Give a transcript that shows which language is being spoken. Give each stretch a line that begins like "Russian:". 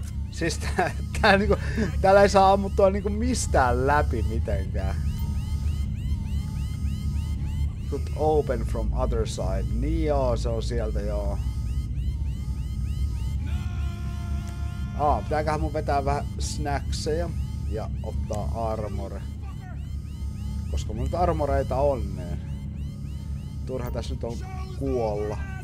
Finnish: Siis tää niinku, täällä ei saa ammuttua niinku mistään läpi mitenkään.
English: Could open from other side.
Finnish: Niin joo, se on sieltä joo. Aa, pitääköhän mun vetää vähän snackseja ja ottaa armore. Koska mun nyt armoreita on, niin turha tässä nyt on kuolla.